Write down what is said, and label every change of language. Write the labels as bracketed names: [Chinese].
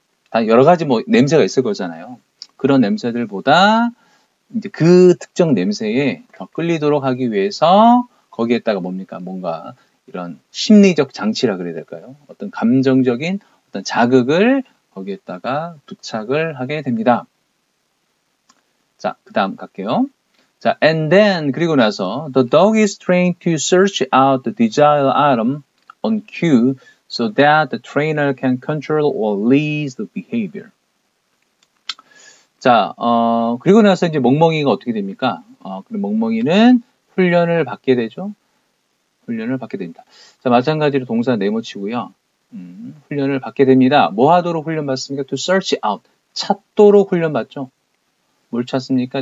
[Korean] 다 여러 가지 뭐 냄새가 있을 거잖아요. 그런 냄새들보다 이제 그 특정 냄새에 더 끌리도록 하기 위해서 거기에다가 뭡니까? 뭔가 이런 심리적 장치라 그래야 될까요? 어떤 감정적인 어떤 자극을 거기에다가 부착을 하게 됩니다. 자, 그 다음 갈게요. [English] 자, and then, [Korean] 그리고 나서, [English] the dog is trained to search out the desired item on cue so that the trainer can control or lead the behavior. [Korean] 자, 그리고 나서 이제 멍멍이가 어떻게 됩니까? 그리고 멍멍이는 훈련을 받게 되죠. 훈련을 받게 됩니다. 자, 마찬가지로 동사 네모치고요. 훈련을 받게 됩니다. 뭐 하도록 훈련 받습니까? [English] To search out. [Korean] 찾도록 훈련 받죠. 뭘 찾습니까?